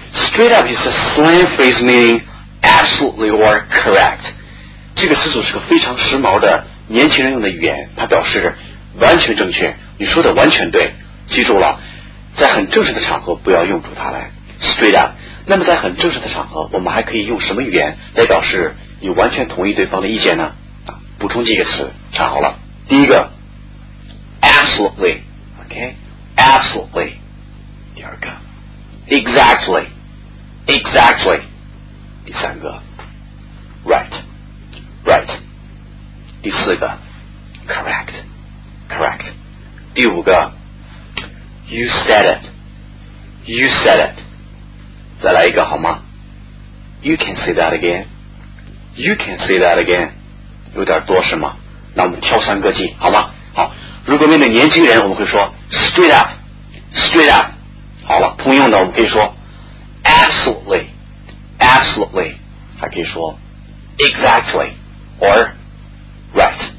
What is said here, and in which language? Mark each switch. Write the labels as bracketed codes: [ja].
[en] Straight up is a slang phrase meaning absolutely or correct. [zh] 这个词组是个非常时髦的年轻人用的语言，它表示完全正确，你说的完全对。记住了，在很正式的场合不要用出它来 straight up。那么在很正式的场合我们还可以用什么语言来表示你完全同意对方的意见呢？补充几个词，查好了。第一个 absolutely， OK， absolutely。第二个 exactly， exactly。第三个 rightright。第四个 [en] correct， correct。 [zh] 第五个 [en] you said it， you said it。 [zh] 再来一个好吗？ [en] you can say that again， you can say that again。 [zh] 有点多是吗？那我们挑三个记好吗？好，如果面对年轻人我们会说 straight up， straight up。好了，通用的我们可以说 absolutely， absolutely。还可以说 exactly or right。